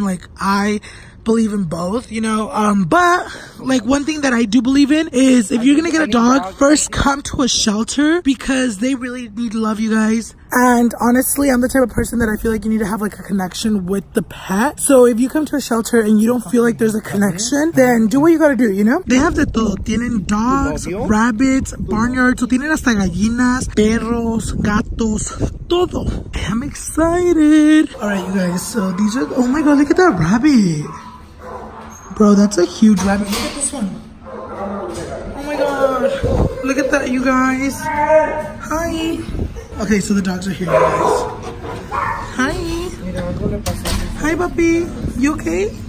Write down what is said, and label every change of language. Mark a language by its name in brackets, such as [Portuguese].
[English] Like, I believe in both, you know, but like one thing that I do believe in is if you're gonna get a dog, first come to a shelter because they really need love, you guys. And honestly, I'm the type of person that I feel like you need to have like a connection with the pet. So if you come to a shelter and you don't feel like there's a connection, then do what you gotta do, you know? They have the todo. [Spanish] Tienen [English] dogs, rabbits, barnyards. [Spanish] So tienen hasta gallinas, perros, gatos, todo. [English] I'm excited. All right, you guys. So these are, oh my God, look at that rabbit. Bro, that's a huge rabbit. Look at this one. Oh my God. Look at that, you guys. Hi. Okay, so the dogs are here, guys. Hi. Hi, puppy. You okay?